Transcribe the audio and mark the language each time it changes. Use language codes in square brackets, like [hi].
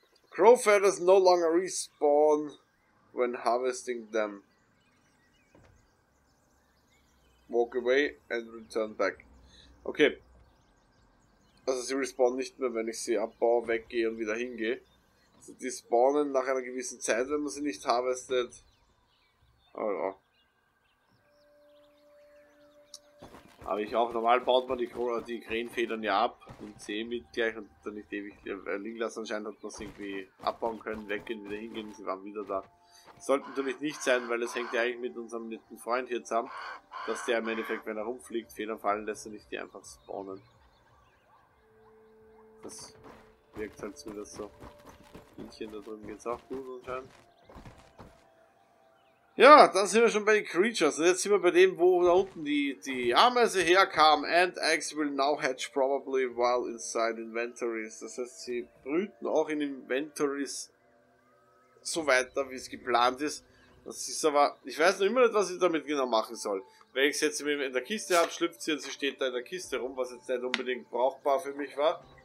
[en] Crowfeathers no longer respawn when harvesting them. Walk away and return back. Okay. [de] Also sie respawnen nicht mehr, wenn ich sie abbaue, weggehe und wieder hingehe. Also die spawnen nach einer gewissen Zeit, wenn man sie nicht harvestet. Oh ja. Aber ich auch, normal baut man die Krähenfedern ja ab und C mit gleich und dann nicht ewig liegen lassen. Anscheinend hat man es irgendwie abbauen können, weggehen, wieder hingehen, sie waren wieder da. Sollte natürlich nicht sein, weil es hängt ja eigentlich mit unserem netten Freund hier zusammen, dass der im Endeffekt, wenn er rumfliegt, Federn fallen lässt und nicht die einfach spawnen. Das wirkt halt wieder so. Hähnchen da drüben geht's auch gut anscheinend. Ja, dann sind wir schon bei den Creatures. Und jetzt sind wir bei dem, wo da unten die Ameise herkam. [en] And eggs will now hatch probably while inside inventories. [de] Das heißt, sie brüten auch in inventories so weiter, wie es geplant ist. Das ist aber, ich weiß noch immer nicht, was ich damit genau machen soll. Wenn ich es jetzt in der Kiste habe, schlüpft sie und sie steht da in der Kiste rum, was jetzt nicht unbedingt brauchbar für mich war.